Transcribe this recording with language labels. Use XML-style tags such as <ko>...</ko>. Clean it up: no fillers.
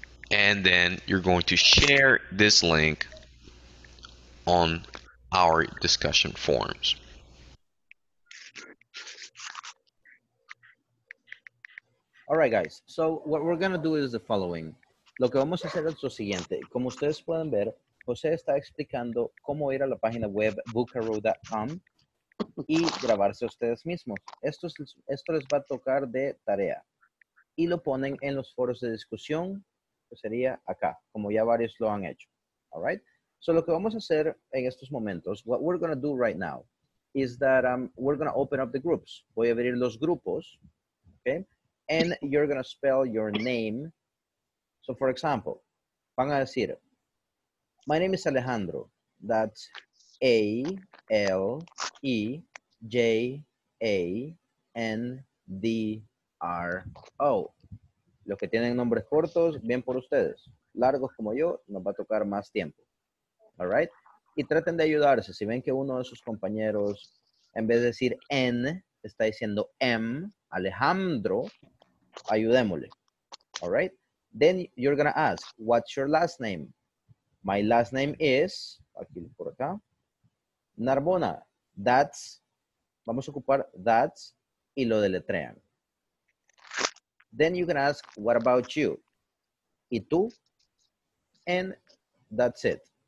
<en>And then you're going to share this link on our discussion forums. All right, guys. So what we're going to do is the following.</en> <es>Lo que vamos a hacer es lo siguiente. Como ustedes pueden ver, José está explicando cómo ir a la página web bookaroo.com y grabarse ustedes mismos. Esto les va a tocar de tarea. Y lo ponen en los foros de discusión, que sería acá, como ya varios lo han hecho.</es> <en>All right? So</en> <es>lo que vamos a hacer en estos momentos,</es> <en>what we're going to do right now, is that we're going to open up the groups.</en> <es>Voy a abrir los grupos.</es> <en>Okay? And you're going to spell your name. So, for example,</en> <es>van a decir,</es> <en>my name is Alejandro. That's A-L-E-J-A-N-D-R-O.</en> <es>Los que tienen nombres cortos, bien por ustedes. Largos como yo, nos va a tocar más tiempo. All right? Y traten de ayudarse. Si ven que uno de sus compañeros, en vez de decir N, está diciendo M, Alejandro, ayudémosle.</es> <en>All right? Then you're going to ask, what's your last name? My last name is,</en> <es>aquí por acá,</es> <en>Narbona.</en> <es>That's, vamos a ocupar</es> <en>that's</en> <es>y lo deletrean.</es> <en>Then you can ask, what about you?</en> <es>¿Y tú?</es> <en>And that's it.</en>